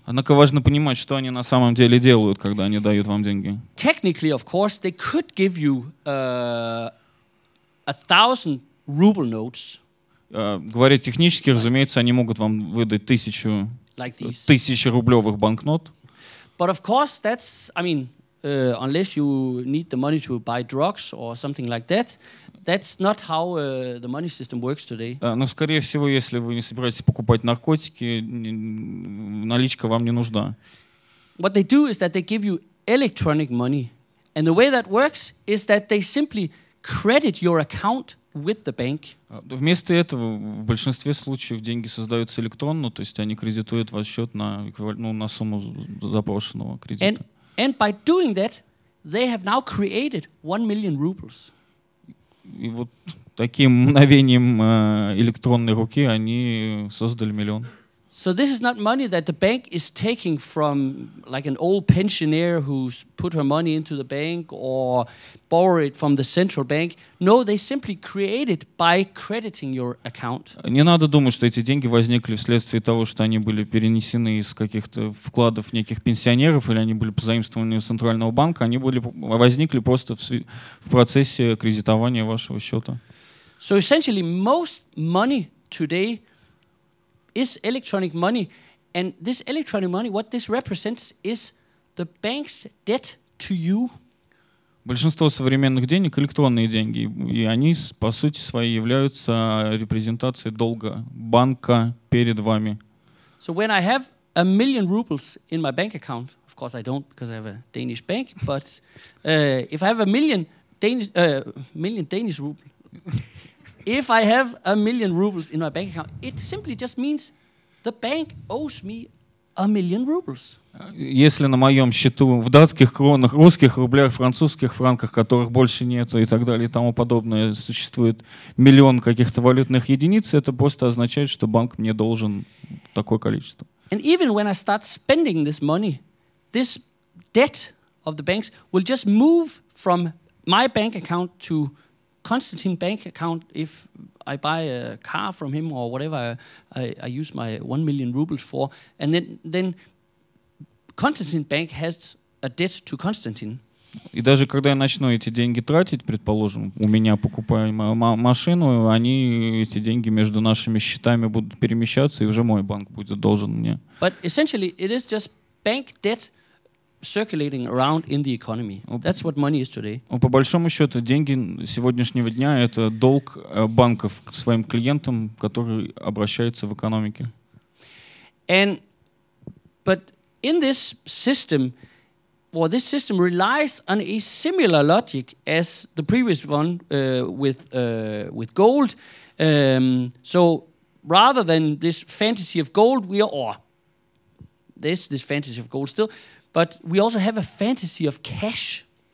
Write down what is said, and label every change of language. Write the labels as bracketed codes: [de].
[ru] Однако важно понимать, что они на самом деле делают, когда они дают вам деньги. [en] Technically, of course, they could give you 1,000 ruble notes. [ru] Говоря технически, разумеется, они могут вам выдать 1000 рублевых банкнот. [en] But of course, that's, I mean, unless you need the money to buy drugs or something like that. That's not how the money system works today. [ru] Но, скорее всего, если вы не собираетесь покупать наркотики, наличка вам не нужна. [en] What they do is that they give you electronic money. And the way that works is that they simply credit your account with the bank. [ru] Вместо этого в большинстве случаев деньги создаются электронно, то есть они кредитуют ваш счет на сумму запрошенного кредита. [en] And by doing that, they have now created 1 million rubles. [ru] И вот таким мгновением электронной руки они создали миллион. [en] So this is not money that the bank is taking from like an old pensioner who's put her money into the bank or borrowed it from the central bank. No, they simply created by crediting your account. [ru] Не надо думать, что эти деньги возникли вследствие того, что они были перенесены из каких-то вкладов неких пенсионеров или они были позаимствованы из центрального банка. Они были возникли просто в процессе кредитования вашего счета. [en] So essentially, most money today is electronic money, and this electronic money, what this represents is the bank's debt to you. [ru] Большинство современных денег электронные деньги, и они по сути своей являются репрезентацией долга банка перед вами. [en] So when I have 1 million rubles in my bank account, of course I don't because I have a Danish bank, but if I have a million Danish rubles. If I have 1 million rubles in my bank account, it simply just means the bank owes me 1 million rubles. [ru] Если на моем счету в датских кронах, русских рублях, французских франках, которых больше нету и так далее и тому подобное, существует миллион каких-то валютных единиц, это просто означает, что банк мне должен такое количество. [en] And even when I start spending this money, this debt of the banks will just move from my bank account to Constantine bank account if I buy a car from him or whatever I use my 1 million rubles for, and then Constantine bank has a debt to Constantine. [ru] И даже когда я начну эти деньги тратить, предположим, у меня покупаем машину, они эти деньги между нашими счетами будут перемещаться, и уже мой банк будет должен мне. [en] But essentially, it is just bank debt circulating around in the economy. That's what money is today. [ru] По большому счету, деньги сегодняшнего дня — это долг банков к своим клиентам, которые обращаются в экономике. [en] And, but in this system, well, this system relies on a similar logic as the previous one with gold. So rather than this fantasy of gold, we are, or there's this fantasy of gold still, but we also have a fantasy of cash.